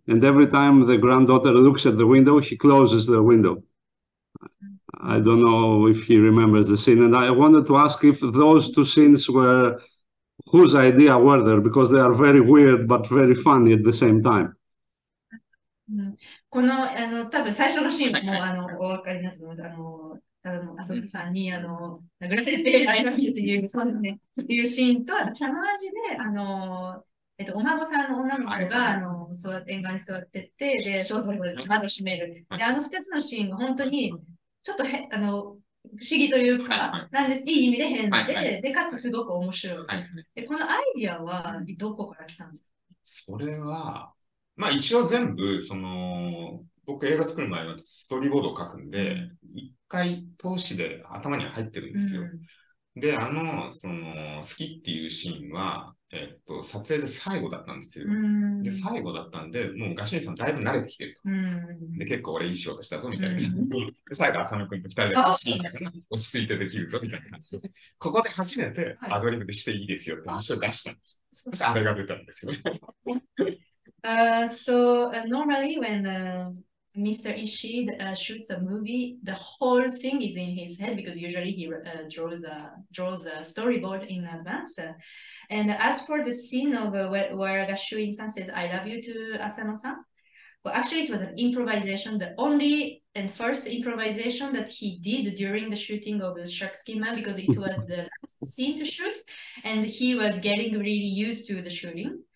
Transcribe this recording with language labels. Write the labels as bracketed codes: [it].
[en] And every time the granddaughter looks at the window, he closes the window. I don't know if he remembers the scene. And I wanted to ask if those two scenes were whose idea were there, because they are very weird but very funny at the same time. [ja] この、あの、多分最初のシーンも、あの、お分かりになってます。あの、ただの浅野さんに、あの、殴られて、あいつにっていう、そうですね、いうシーンと、あと、茶の味で、あの、お孫さんの女の子が、あの、縁側に座ってって、で、そうそう、窓閉める。で、あの二つのシーンが本当に、ちょっとあの、不思議というか、なんです、いい意味で変で、で、かつすごく面白い。で、このアイディアは、どこから来たんですか？それは、まあ、一応全部、その、僕映画作る前はストーリーボードを書くんで、一回通しで頭には入ってるんですよ。うん、で、あの、その、好きっていうシーンは、撮影で最後だったんですよ。で、最後だったんで、もうガシンさんだいぶ慣れてきてると。で、結構俺いい仕事したぞみたいな。で、最後、浅野くんと二人で落ち着いてできるぞみたいな。ここで初めてアドリブでしていいですよって話を出したんです。はい、そしてあれが出たんですけど。 [en] normally when Mr. Ishii shoots a movie, the whole thing is in his head because usually he draws a storyboard in advance. And as for the scene of where Gashuin-san says, I love you to Asano-san, well, actually it was an improvisation, the only and first improvisation that he did during the shooting of the Shark Schema because it was the last scene to shoot and he was getting really used to the shooting.